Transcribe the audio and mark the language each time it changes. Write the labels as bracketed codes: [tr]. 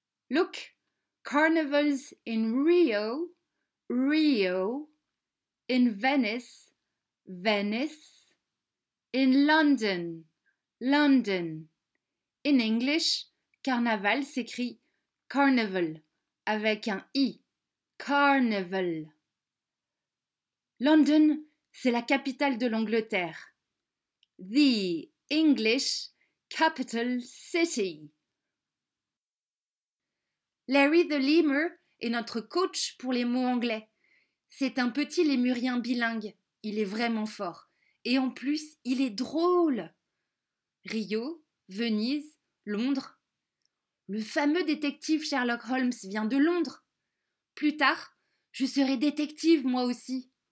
[en] Look, carnivals in Rio, Rio, in Venice, Venice, in London, London. In English, [fr] carnaval s'écrit carnival avec un i. Carnival. London, c'est la capitale de l'Angleterre. [en] The English capital city. [fr] Larry the Lemur est notre coach pour les mots anglais. C'est un petit lémurien bilingue. Il est vraiment fort. Et en plus, il est drôle. Rio, Venise, Londres. Le fameux détective Sherlock Holmes vient de Londres. Plus tard, je serai détective moi aussi.